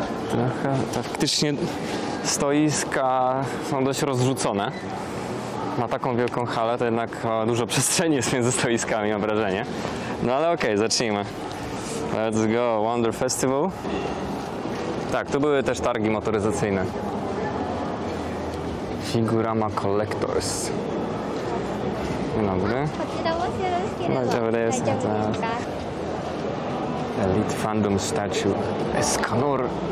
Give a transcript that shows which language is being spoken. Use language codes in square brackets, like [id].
[pl] Trochę faktycznie stoiska są dość rozrzucone. Ma taką wielką halę, to jednak dużo przestrzeni jest między stoiskami, mam wrażenie. No ale okej, zacznijmy. [en] Let's go, Wonder Festival. [pl] Tak, tu były też targi motoryzacyjne. Figurama Collectors. Dzień dobry. Dzień dobry, jestem teraz. Elite Fandom Statue. Escanor.